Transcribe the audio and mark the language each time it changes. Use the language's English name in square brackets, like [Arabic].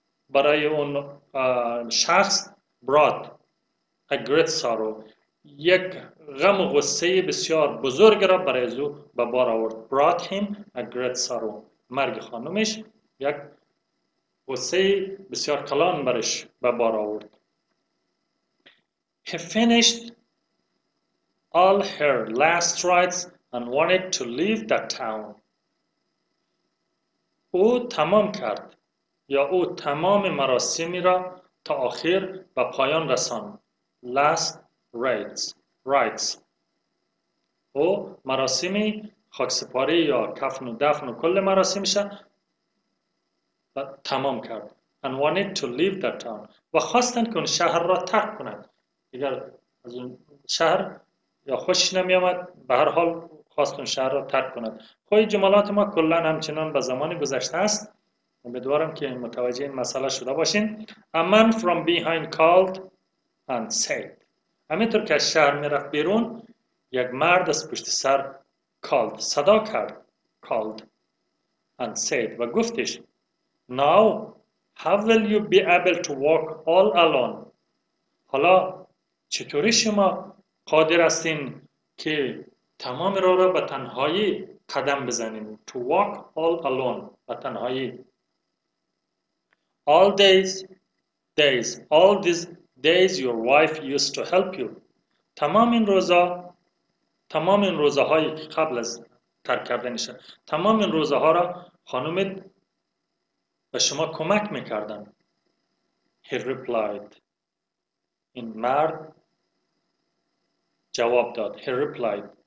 [Persian] برای اون شخص [English] brought a great sorrow. [Persian] یک غم و غصه بسیار بزرگ را برای زو به بار آورد. [English] Brought him a great sorrow. [Persian] مرگ خانومش یک غصه بسیار کلان برش به بار آورد. [English] He finished all her last rites and wanted to leave that town. [Persian] او تمام کرد یا او تمام مراسمی را تا آخر به پایان رساند. [English] Last rites. Rites. [Persian] او مراسمی خاکسپاری یا کفن و دفن و کل مراسمش را تمام کرد. [English] And wanted to leave that town. [Persian] و خواستند که اون شهر را ترک کنند. اگر از اون شهر یا خوش نمی آمد، به هر حال خواست اون شهر را ترک کند. خوی جملات ما کلن همچنان به زمان گذشته است. امیدوارم که متوجه این مسئله شده باشین. [English] A man from behind called and said. [Persian] همینطور که از شهر می رفت بیرون، یک مرد از پشت سر [English] called. [Persian] صدا کرد. [English] Called and said. [Persian] و گفتش. [English] Now, how will you be able to walk all alone? [Persian] حالا چطوری شما قادر هستین که تمام راه را به تنهایی قدم بزنین؟ [English] To walk all alone, [Persian] به تنهایی. [English] All days, all these days your wife used to help you. [Persian] تمام این روزهایی که قبل از ترک کردنش، تمام این روزها را خانومت به شما کمک میکردن. [English] He replied. [Persian] این مرد جواب داد. [English] He replied.